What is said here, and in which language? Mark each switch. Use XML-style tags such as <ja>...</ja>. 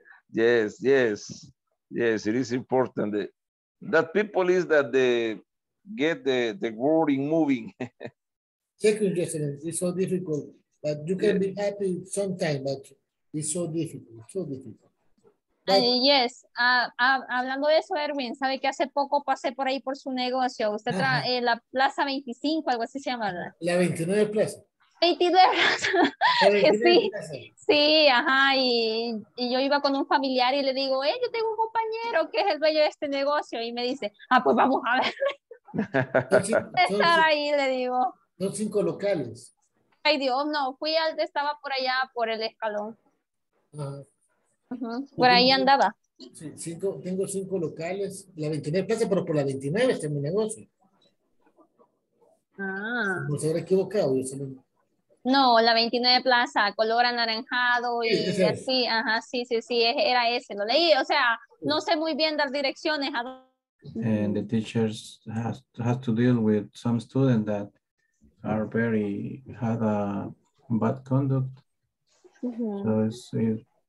<en>Yes. It is important that people is that they get the world in moving. Thank you, Jocelyn. It's so difficult, but you can be happy sometime, but it's so difficult,</en> <es>Yes, hablando de eso, Erwin, sabe que hace poco pasé por ahí por su negocio. Usted trae la Plaza 25, algo así se llama, ¿verdad? La 29 Plaza. 29 Plaza. Sí, sí, ajá. Y yo iba con un familiar y le digo, yo tengo un compañero que es el dueño de este negocio. Y me dice, pues vamos a ver. Estar ahí, le digo. Son 5 locales. Ay, Dios, no. Fui al que estaba por allá, por el escalón. Por ahí andaba. Sí, tengo 5 locales. La 29 Plaza, pero por la 29 está mi negocio. Ah. No se habrá equivocado. No, la 29 Plaza, color anaranjado y así. Ajá, sí. Era ese. Lo leí. O sea, no sé muy bien dar direcciones.</es> <en>And the teachers has to deal with some students that are very, had a bad conduct. Mm-hmm. So it's</en>